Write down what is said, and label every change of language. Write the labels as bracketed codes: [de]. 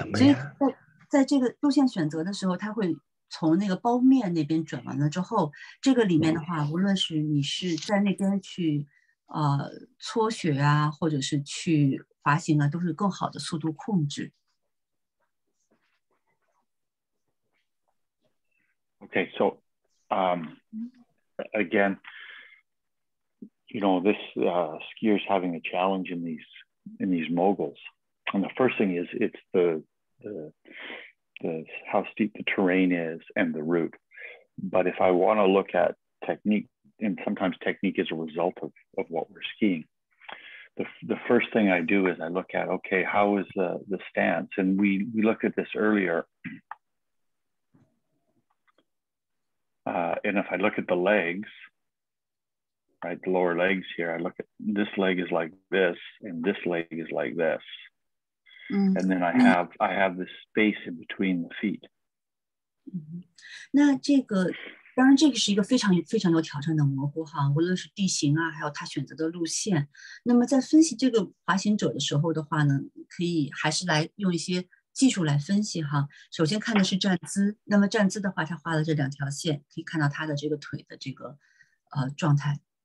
[zh] 所以在这个路线选择的时候，它会。从那个包面那边转完了之后，这个里面的话，无论是你是在那边去搓雪啊，或者是去滑行啊，都是更好的速度控制。 [en] Okay, so, again, you know, this skier is having a challenge in these moguls, and the first thing is it's the how steep the terrain is and the route. But if I want to look at technique, and sometimes technique is a result of what we're skiing, the first thing I do is I look at, okay, how is the stance? And we looked at this earlier. And if I look at the legs, right, the lower legs here, I look at this leg is like this, and this leg is like this. And then I have this space in between the feet. [zh] 那这个当然这个是一个非常非常有挑战的蘑菇哈，无论是地形啊，还有他选择的路线。那么在分析这个滑行者的时候的话呢，可以还是来用一些技术来分析哈。首先看的是站姿，那么站姿的话，他画了这两条线，可以看到他的这个腿的这个状态。